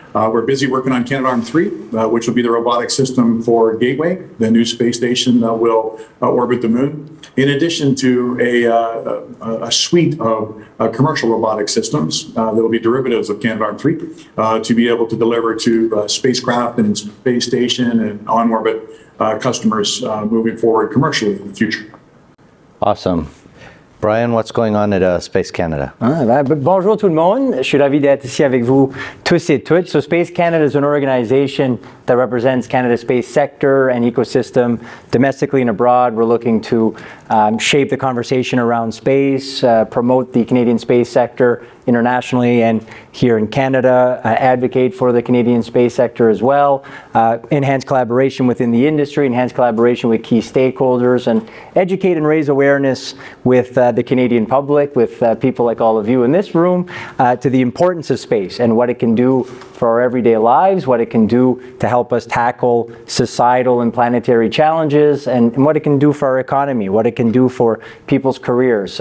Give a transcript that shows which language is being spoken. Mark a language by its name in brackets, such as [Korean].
[English] We're busy working on Canadarm 3, which will be the robotic system for Gateway, the new space station that will orbit the moon, in addition to a suite of commercial robotic systems that will be derivatives of Canadarm 3 to be able to deliver to spacecraft and space station and on-orbit customers moving forward commercially in the future. Awesome. Brian, what's going on at Space Canada? [French] Bonjour tout le monde. Je suis ravi d'être ici avec vous tous et toutes. [English] So Space Canada is an organization that represents Canada's space sector and ecosystem domestically and abroad. We're looking to shape the conversation around space, promote the Canadian space sector internationally and here in Canada, advocate for the Canadian space sector as well, enhance collaboration within the industry, enhance collaboration with key stakeholders, and educate and raise awareness with the Canadian public, with people like all of you in this room, to the importance of space and what it can do for our everyday lives, what it can do to help us tackle societal and planetary challenges, and what it can do for our economy, what it can do for people's careers.